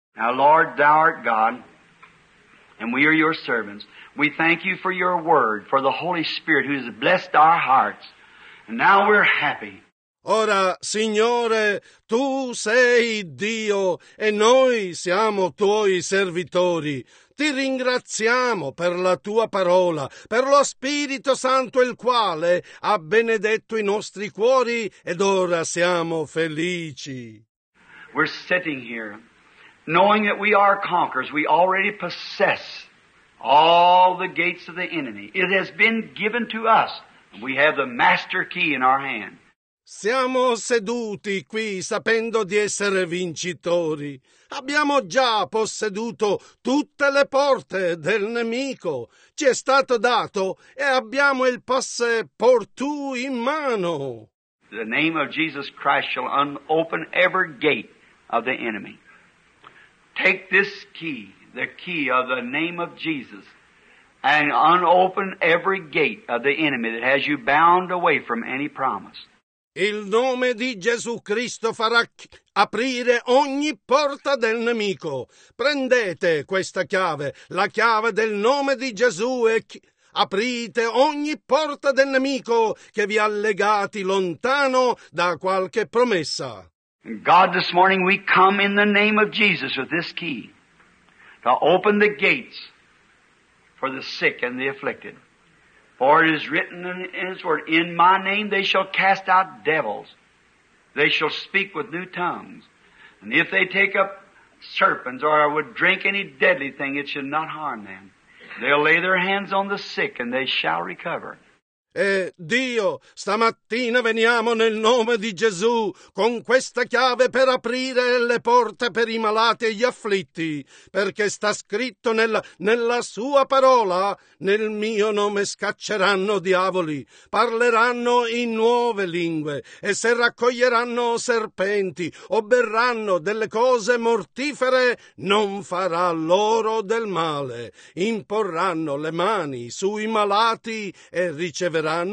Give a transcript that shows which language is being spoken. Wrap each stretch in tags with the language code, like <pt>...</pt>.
<en>Now Lord, thou art God, and we are your servants. We thank you for your word, for the Holy Spirit who has blessed our hearts. And now we're happy.</en> <it>Ora, Signore, tu sei Dio e noi siamo tuoi servitori. Ti ringraziamo per la tua parola, per lo Spirito Santo il quale ha benedetto i nostri cuori ed ora siamo felici.</it> <en>We're sitting here knowing that we are conquerors. We already possess all the gates of the enemy. It has been given to us. We have the master key in our hand.</en> <it>Siamo seduti qui sapendo di essere vincitori. Abbiamo già posseduto tutte le porte del nemico. Ci è stato dato e abbiamo il passeportù in mano.</it> <en>The name of Jesus Christ shall open every gate of the enemy. Take this key. The key of the name of Jesus, and unopen every gate of the enemy that has you bound away from any promise.</en> <it>Il nome di Gesù Cristo farà aprire ogni porta del nemico. Prendete questa chiave, la chiave del nome di Gesù, e aprite ogni porta del nemico che vi ha legati lontano da qualche promessa.</it> <en>God, this morning we come in the name of Jesus with this key. To open the gates for the sick and the afflicted. For it is written in His word, in my name they shall cast out devils. They shall speak with new tongues. And if they take up serpents or would drink any deadly thing, it should not harm them. They'll lay their hands on the sick and they shall recover.</en> <it>E Dio, stamattina veniamo nel nome di Gesù con questa chiave per aprire le porte per i malati e gli afflitti, perché sta scritto nella sua parola, nel mio nome scacceranno diavoli, parleranno in nuove lingue e se raccoglieranno serpenti o berranno delle cose mortifere, non farà loro del male, imporranno le mani sui malati e riceveranno.</it>